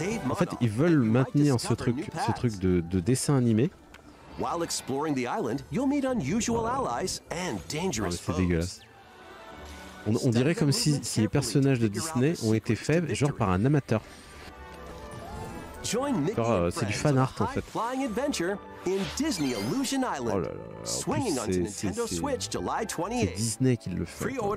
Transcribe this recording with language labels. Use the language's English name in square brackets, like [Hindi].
[French] En fait, ils veulent maintenir ce truc de dessin animé. [English] While exploring the island, you'll meet unusual allies and dangerous foes. [French] C'est dégueulasse. On dirait comme si les personnages de Disney ont été faits genre par un amateur. Genre, c'est du fan art en fait. Oh là là, en plus, c'est Disney qui le fait.